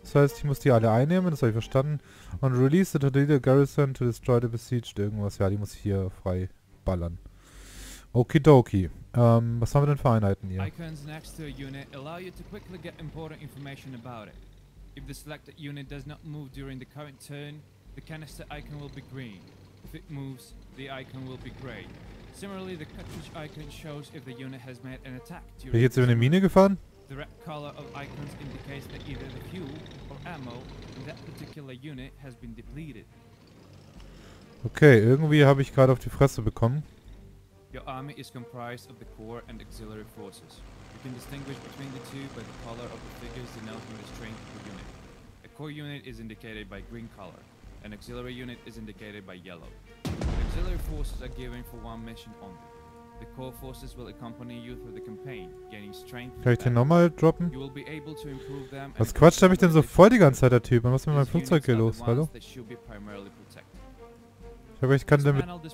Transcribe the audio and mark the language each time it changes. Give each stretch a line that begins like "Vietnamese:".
German: Das heißt, ich muss die alle einnehmen, das habe ich verstanden. Und release the Toledo Garrison to destroy the besieged. Irgendwas, ja, die muss ich hier frei ballern. Okidoki. Was haben wir denn für Einheiten hier?
English: Icons next to a unit allow you to quickly get important information about it. If the selected unit does not move during the current turn, the canister icon will be green. If it moves, the icon will be gray. Similarly, the cartridge icon shows if the unit has made an attack during.
German: Bin ich jetzt über eine Mine gefahren?
English: The red color of icons indicates that either the fuel or ammo in that particular unit has been depleted.
German: Okay, irgendwie habe ich gerade auf die Fresse bekommen.
English: Your army is comprised of the core and auxiliary forces. You can distinguish between the two by the color of the figures denoting the strength of the unit. A core unit is indicated by green color. An auxiliary unit is indicated by yellow. The auxiliary forces are given for one mission only. The core forces will accompany you through the campaign, gaining strength.
German: Kann ich den nochmal droppen? Was quatscht er mich denn so voll die ganze Zeit, der Typ? Und was ist mit meinem Flugzeug hier los? Hallo? Ich glaube, ich kann damit.